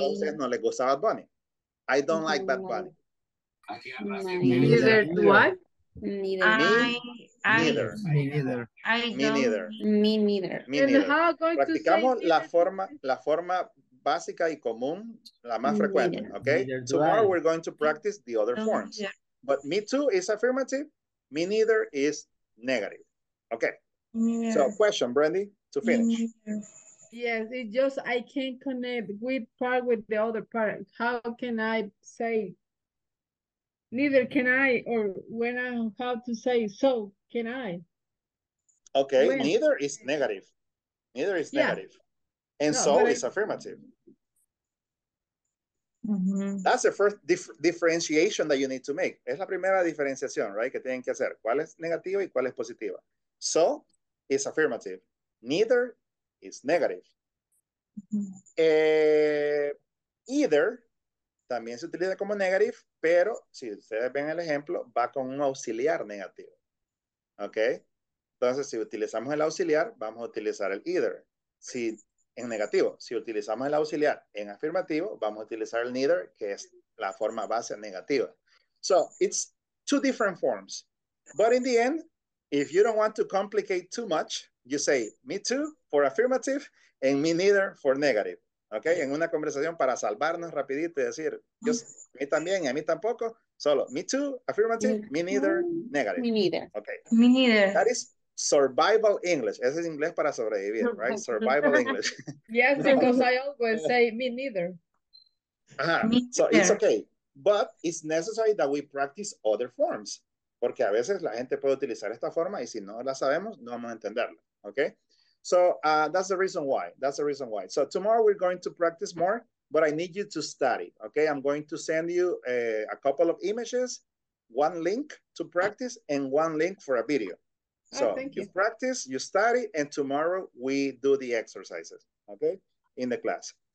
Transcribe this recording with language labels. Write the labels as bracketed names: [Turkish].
[Spanish] Entonces no le gusta Bad Bunny. [English] I don't like Bad Bunny. Neither do I. Neither. Me neither. And how going [Spanish] practicamos [English] to say [Spanish] la forma básica y común, la más frecuente, okay? [English] Tomorrow we're going to practice the other forms. Yeah. But me too is affirmative, me neither is negative. Okay. So question, Brandy, to finish. Yes, it's just I can't connect with part with the other part. How can I say neither can I, or when I have to say so can I? Okay, when? Neither is negative. Neither is negative. And no, so is affirmative. Mm-hmm. That's the first differentiation that you need to make. [Spanish] Es la primera diferenciación, [English] right? [Spanish] Que tienen que hacer. ¿Cuál es negativa y cuál es positiva? [English] So is affirmative. Neither is negative. Mm-hmm. [Spanish] Either también se utiliza como negative, pero si ustedes ven el ejemplo, va con un auxiliar negativo. ¿Ok? Entonces, si utilizamos el auxiliar, vamos a utilizar el either. Si en negativo, si utilizamos el auxiliar en afirmativo, vamos a utilizar el neither, que es la forma base negativa. [English] So, it's two different forms. But in the end, if you don't want to complicate too much, you say me too for affirmative and me neither for negative. [Spanish] Okay, en una conversación para salvarnos rapidito y decir, yo a mí también y a mí tampoco, solo [English] me too, affirmative, me neither, negative. Me neither. Okay. Me neither. That is survival English. [Spanish] Ese es inglés para sobrevivir, [English] right? Survival English. Yes, because I always say me neither. Uh-huh. Me so neither. It's okay. But it's necessary that we practice other forms. [Spanish] Porque a veces la gente puede utilizar esta forma y si no la sabemos, no vamos a entenderla. [English] Okay? So that's the reason why. That's the reason why. So tomorrow we're going to practice more, but I need you to study, okay? I'm going to send you a couple of images, one link to practice, and one link for a video. So oh, thank you. You practice, you study, and tomorrow we do the exercises, okay, in the class.